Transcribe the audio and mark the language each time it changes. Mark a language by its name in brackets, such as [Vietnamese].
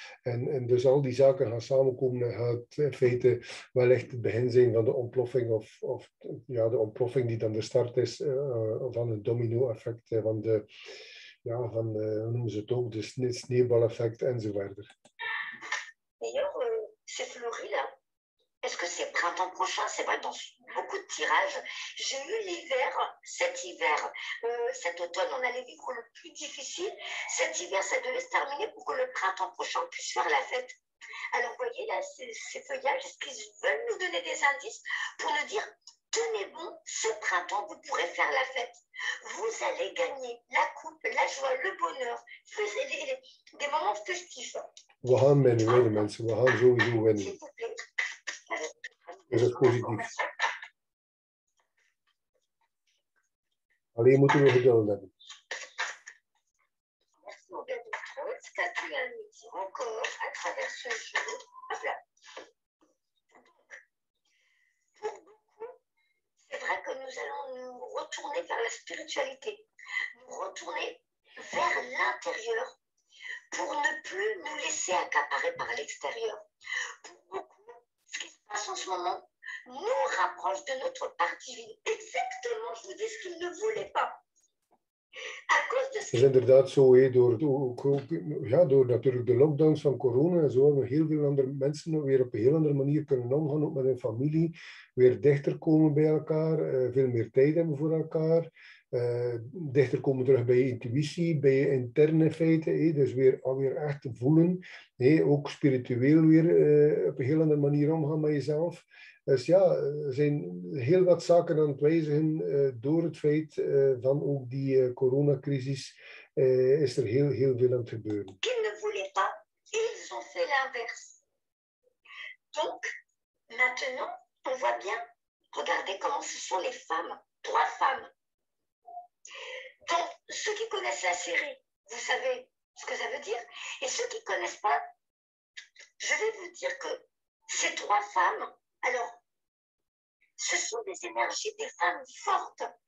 [Dutch] En dus al die zaken gaan samenkomen en gaat in feite wellicht het begin zijn van de ontploffing of de ontploffing die dan de start is van het domino-effect van de. Ja, van noemen ze het ook de sneeuwbaleffect enzovoort. [French] D'ailleurs, c'est fleuri là. Est-ce que c'est printemps prochain? C'est vrai, dans beaucoup de tirages, j'ai eu l'hiver, cet hiver, cet automne, on allait vivre le plus difficile. Cet hiver, ça devait se terminer pour que le printemps prochain puisse faire la fête. Alors, vous voyez là, ces feuillages, est-ce qu'ils veulent nous donner des indices pour nous dire. Tenez bon, ce printemps, vous pourrez faire la fête. Vous allez gagner la coupe, la joie, le bonheur. Faites des moments festifs. [Dutch] We gaan winnen, we gaan mensen. We gaan sowieso winnen. [French] S'il vous plaît. [Dutch] Is het positief? Alleen moeten we geduld hebben. [French] Merci, Robert. Ce qu'a pu la nuit encore à travers ce jeu. Hop là. C'est vrai que nous allons nous retourner vers la spiritualité, nous retourner vers l'intérieur pour ne plus nous laisser accaparer par l'extérieur. Pour beaucoup, ce qui se passe en ce moment nous rapproche de notre part divine. Exactement, je vous dis ce qu'ils ne voulaient pas. [Dutch] Dus inderdaad zo, hé, door natuurlijk de lockdowns van corona en zo hebben heel veel andere mensen weer op een heel andere manier kunnen omgaan, ook met hun familie, weer dichter komen bij elkaar, veel meer tijd hebben voor elkaar, dichter komen terug bij je intuïtie, bij je interne feiten, hé, dus weer alweer echt voelen, hé, ook spiritueel weer op een heel andere manier omgaan met jezelf. Dus ja, er zijn heel wat zaken aan het wijzigen door het feit van ook die coronacrisis is er heel, heel veel aan het gebeuren. [French] Ils ont fait l'inverse. Donc, maintenant, on voit bien, regardez comment ce sont les femmes, trois femmes. Donc, ceux qui connaissent la série, vous savez ce que ça veut dire. Et ceux qui ne connaissent pas, je vais vous dire que ces trois femmes, alors, ce sont des énergies, des femmes fortes.